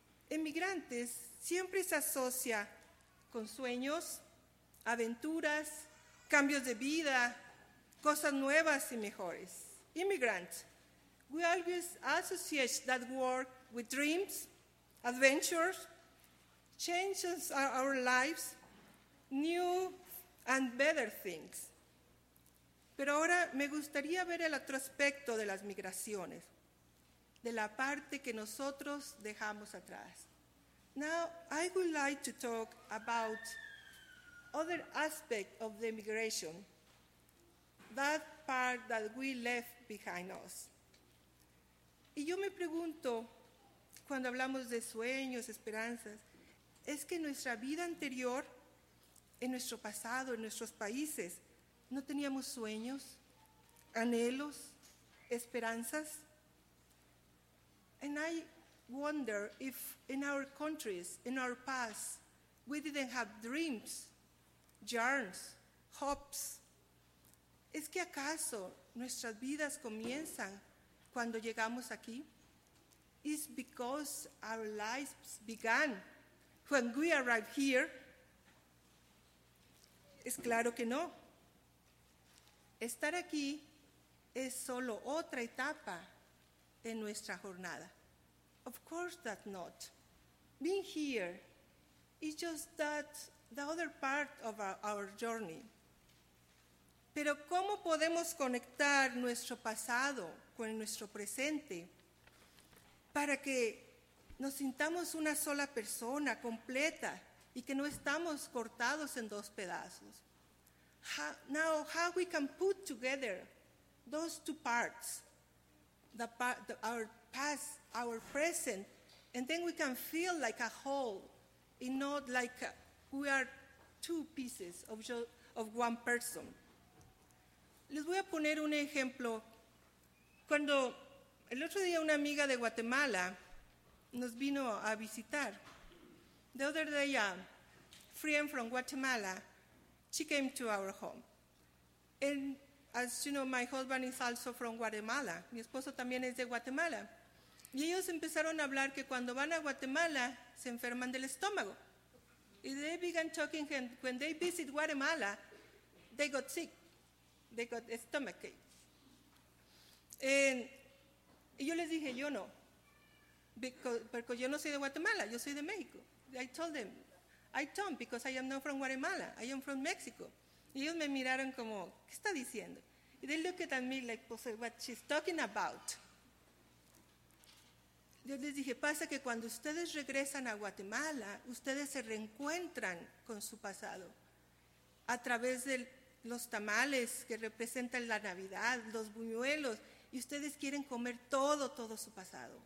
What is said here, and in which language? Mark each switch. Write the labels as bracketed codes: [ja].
[es] Emigrantes siempre se asocia con sueños, aventuras, cambios de vida, cosas nuevas y mejores. [en] Immigrants, we always associate that word with dreams, adventures, changes in our lives, new and better things. [es] Pero ahora me gustaría ver el otro aspecto de las migraciones, de la parte que nosotros dejamos atrás. [en] Now, I would like to talk about other aspect of the migration, that part that we left behind us. [es] Y yo me pregunto, cuando hablamos de sueños, esperanzas, es que nuestra vida anterior, en nuestro pasado, en nuestros países, ¿no teníamos sueños, anhelos, esperanzas? [en] And I wonder if in our countries, in our past, we didn't have dreams, yearns, hopes. [es] ¿Es que acaso nuestras vidas comienzan cuando llegamos aquí? [en] Is because our lives began when we arrived here? [es] Es claro que no. Estar aquí es solo otra etapa en nuestra jornada. [en] Of course that not. Being here is just that the other part of our journey. [es] Pero ¿cómo podemos conectar nuestro pasado con nuestro presente para que nos sintamos una sola persona completa y que no estamos cortados en dos pedazos? [en] Now, how we can put together those two parts, our past, our present, and then we can feel like a whole and not like we are two pieces of one person. [es] Les voy a poner un ejemplo. Cuando el otro día una amiga de Guatemala nos vino a visitar, [en] the other day a friend from Guatemala, she came to our home. And as you know, my husband is also from Guatemala. [es] Mi esposo también es de Guatemala. Y ellos empezaron a hablar que cuando van a Guatemala se enferman del estómago. [en] Y they began talking and when they visit Guatemala, they got sick. They got stomachache. [es] Y yo les dije, yo no. Porque yo no soy de Guatemala, yo soy de México. [en] I told them, I don't, because I am not from Guatemala, I am from Mexico. [es] Y ellos me miraron como, ¿qué está diciendo? [en] Y they looked at me like, what she's talking about. [es] Yo les dije, pasa que cuando ustedes regresan a Guatemala, ustedes se reencuentran con su pasado a través de los tamales que representan la Navidad, los buñuelos, y ustedes quieren comer todo, todo su pasado.